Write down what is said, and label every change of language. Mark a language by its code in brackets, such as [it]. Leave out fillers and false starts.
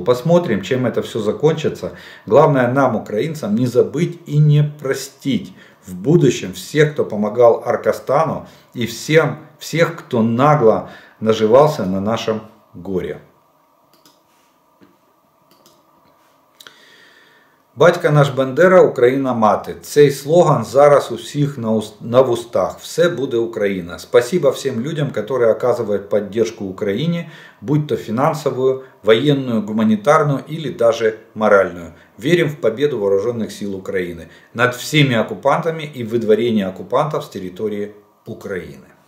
[ru] Посмотрим, чем это все закончится. Главное нам, украинцам, не забыть и не простить в будущем всех, кто помогал Аркастану, и всех, кто нагло наживался на нашем горе. [uk] Батька наш Бандера, Украина мати. Цей слоган зараз у всіх на вустах. Все буде Україна. [ru] Спасибо всем людям, которые оказывают поддержку Украине, будь то финансовую, военную, гуманитарную или даже моральную. Верим в победу вооруженных сил Украины над всеми оккупантами и выдворение оккупантов с территории Украины.